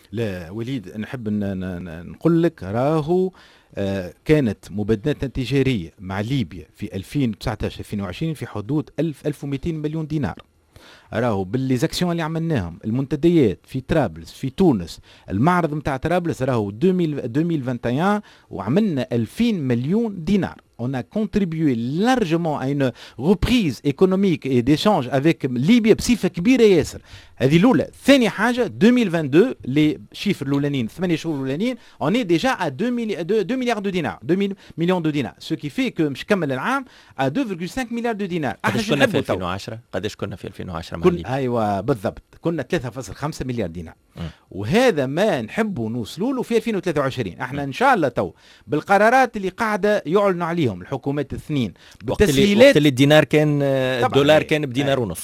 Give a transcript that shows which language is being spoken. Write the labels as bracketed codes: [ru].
[ar] لا وليد، نحب نقول لك راهو كانت مبادلاتنا التجارية مع ليبيا في 2019-2020 في حدود 1200 مليون دينار. راهو بالليزاكسيون اللي عملناهم المنتديات في طرابلس في تونس، المعرض متاع طرابلس راهو 2021 وعملنا 2000 مليون دينار. [fr] On a contribué largement à une reprise économique et d'échange avec Libye [ar] بصفة كبيرة ياسر. هذه الأولى. ثاني حاجة [fr] 2022 les chiffres l'oulanin 8 [ar] شهور [fr] l'oulanin on est déjà à 2 millions de dinars ce qui fait que [ar] مش كمل العام [fr] à 2.5 milliards de dinars. [ar] قداش كنا في 2010؟ قداش كنا في 2010؟ أيوة بالضبط، كنا 3.5 مليار دينار. وهذا ما نحب نوصلوا له في 2023. احنا ان شاء الله تو بالقرارات اللي قاعده يعلنوا عليهم الحكومات الاثنين بالتسهيلات، وقت اللي الدينار كان الدولار كان بدينار ونص.